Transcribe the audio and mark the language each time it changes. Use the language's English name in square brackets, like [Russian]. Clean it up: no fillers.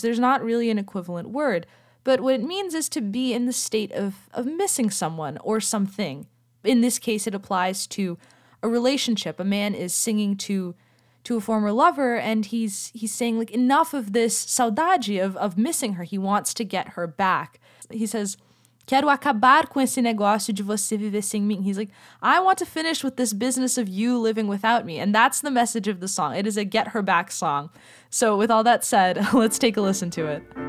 [English] There's not really an equivalent word, but what it means is to be in the state of missing someone or something. In this case, it applies to a relationship. A man is singing to to a former lover, and he's saying, like, enough of this saudade of missing her. He wants to get her back. He says, [Portuguese] quero acabar com esse negócio de você viver sem mim. [English] He's like, I want to finish with this business of you living without me. And that's the message of the song. It is a get her back song. So with all that said, let's take a listen to it.